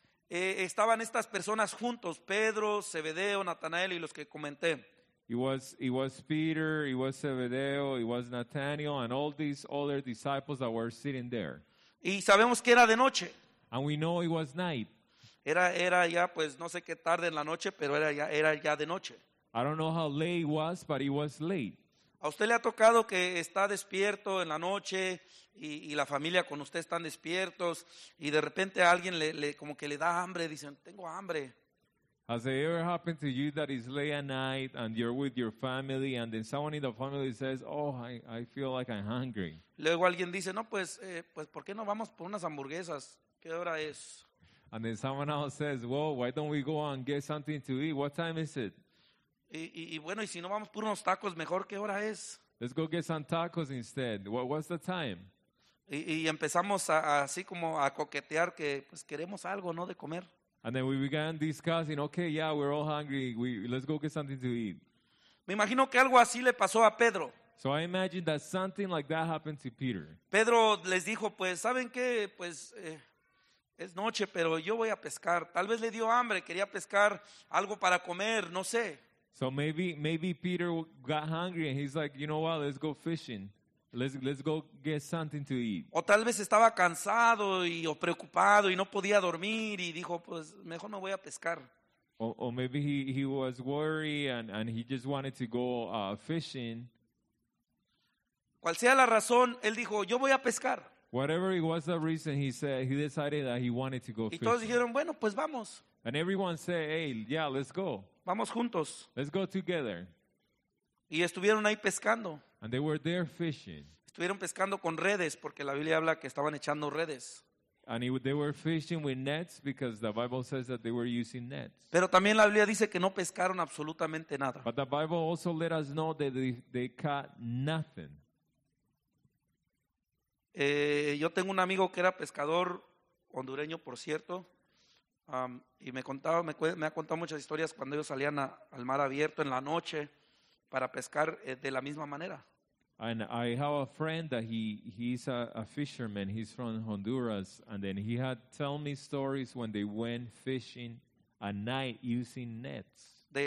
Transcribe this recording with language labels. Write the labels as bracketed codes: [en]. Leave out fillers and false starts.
[es] Estaban estas personas juntos, Pedro, Zebedeo, Natanael y los que comenté. [en] It was Peter, it was Zebedeo, it was Nathaniel, and all these other disciples that were sitting there. [es] Y sabemos que era de noche. [en] And we know it was night. [es] Era ya, pues, no sé qué tarde en la noche, pero era ya de noche. [en] I don't know how late it was, but it was late. [es] A usted le ha tocado que está despierto en la noche y la familia con usted están despiertos y de repente alguien le como que le da hambre, dicen, tengo hambre. [en] Has it ever happened to you that it's late at night and you're with your family and then someone in the family says, oh, I feel like I'm hungry? [es] Luego alguien dice, no, pues, ¿por qué no vamos por unas hamburguesas? ¿Qué hora es? [en] And then someone else says, well, why don't we go and get something to eat? What time is it? [es] Y bueno, y si no vamos por unos tacos, mejor, ¿qué hora es? [en] Let's go get some tacos instead. What's the time? [es] Y empezamos así como a coquetear que pues queremos algo, ¿no?, de comer. [en] And then we began discussing, okay, yeah, we're all hungry. Let's go get something to eat. [es] Me imagino que algo así le pasó a Pedro. [en] So I imagine that something like that happened to Peter. [es] Pedro les dijo, pues, ¿saben qué? Pues, es noche, pero yo voy a pescar. Tal vez le dio hambre, quería pescar algo para comer, no sé. [en] So maybe Peter got hungry and he's like, you know what, let's go fishing. Let's go get something to eat. [es] O tal vez estaba cansado o preocupado y no podía dormir y dijo, pues mejor no voy a pescar. [en] O maybe he was worried and he just wanted to go fishing. [es] Cual sea la razón, él dijo, yo voy a pescar. [en] Whatever it was the reason, he said he decided that he wanted to go fishing. [es] Y todos dijeron, bueno, pues vamos. [en] And everyone said, hey, yeah, let's go. [es] Vamos juntos. [en] Let's go together. [es] Y estuvieron ahí pescando. [en] And they were there fishing. [es] Estuvieron pescando con redes porque la Biblia habla que estaban echando redes. [en] And they were fishing with nets because the Bible says that they were using nets. [es] Pero también la Biblia dice que no pescaron absolutamente nada. [en] But the Bible also let us know that they caught nothing. [es] Yo tengo un amigo que era pescador hondureño, por cierto, y me ha contado muchas historias cuando ellos salían al mar abierto en la noche para pescar de la misma manera. [en] And I have a friend that he's a fisherman. He's from Honduras. And then he had told me stories when they went fishing at night using nets.